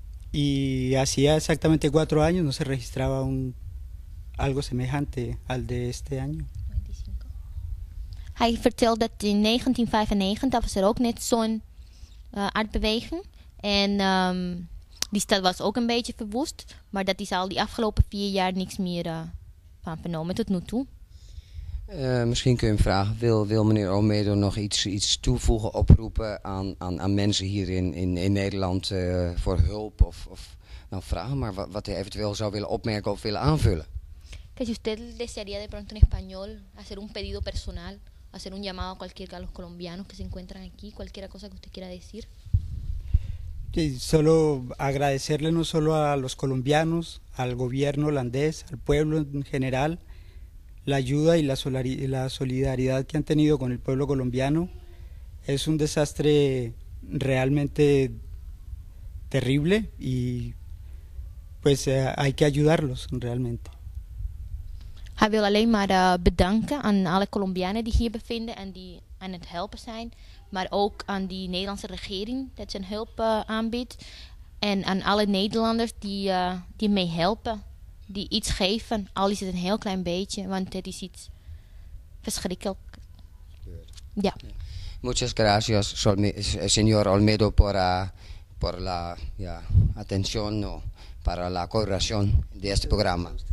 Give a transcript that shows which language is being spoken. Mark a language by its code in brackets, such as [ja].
[es] Y hacía exactamente 4 años no se registraba algo semejante al de este año. [nl] Hij vertelt dat in 1995 was er ook net zo'n aardbeweging. En die stad was ook een beetje verwoest, maar dat is al die afgelopen 4 jaar niks meer van vernomen tot nu toe. Misschien kun je hem vragen, wil meneer Olmedo nog iets toevoegen, oproepen aan mensen hier in Nederland voor hulp? Of nou, vraag maar wat hij eventueel zou willen opmerken of willen aanvullen. [es] Que si usted desearía de pronto en español hacer un pedido personal, hacer un llamado a cualquier de los colombianos que se encuentran aquí, cualquier cosa que usted quiera decir. Sí, solo agradecerle no solo a los colombianos, al gobierno holandés, al pueblo en general, la ayuda y la solidaridad que han tenido con el pueblo colombiano. Es un desastre realmente terrible y pues hay que ayudarlos realmente. [nl] Hij wil alleen maar bedanken aan alle Colombianen die hier bevinden en die aan het helpen zijn, maar ook aan die Nederlandse regering dat zijn hulp aanbiedt en aan alle Nederlanders die mee helpen. Die iets geven, al is het een heel klein beetje, want het is iets verschrikkelijk. Ja. [es] Muchas gracias, señor Olmedo, por la atención o para la colaboración de este programa.